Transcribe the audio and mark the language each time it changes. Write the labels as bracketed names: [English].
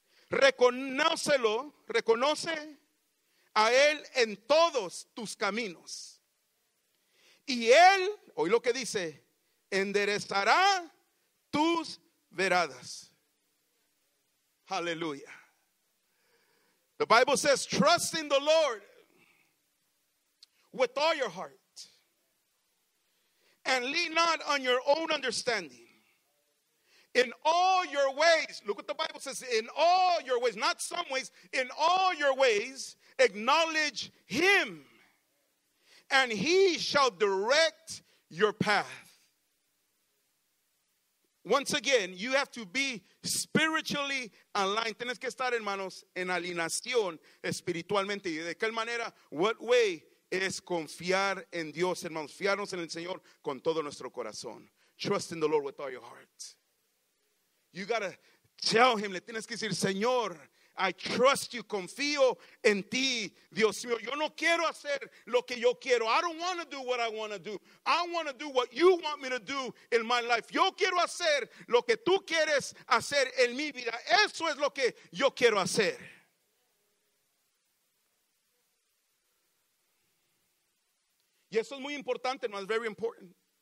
[Spanish] reconoce a Él en todos tus caminos, y Él, oí lo que dice, enderezará tus veredas. Hallelujah. [English] The Bible says, trust in the Lord with all your heart and lean not on your own understanding. In all your ways, look what the Bible says, in all your ways, not some ways, in all your ways, acknowledge Him and He shall direct your path. Once again, you have to be spiritually aligned. [Spanish] Tienes que estar, hermanos, en alineación espiritualmente. ¿Y de qué manera? [English] What way is [Spanish] confiar en Dios, hermanos? Fiarnos en el Señor con todo nuestro corazón. [English] Trust in the Lord with all your heart. You gotta tell Him. [Spanish] Le tienes que decir, Señor, [English] I trust you. [Spanish] Confío en ti, Dios mío. Yo no quiero hacer lo que yo quiero. [English] I don't want to do [Spanish] what I want to do. [English] I want to do what you want me to do in my life. [Spanish] Yo quiero hacer lo que tú quieres hacer en mi vida. Eso es lo que yo quiero hacer. Y eso es muy importante, hermano. [English] It's very important.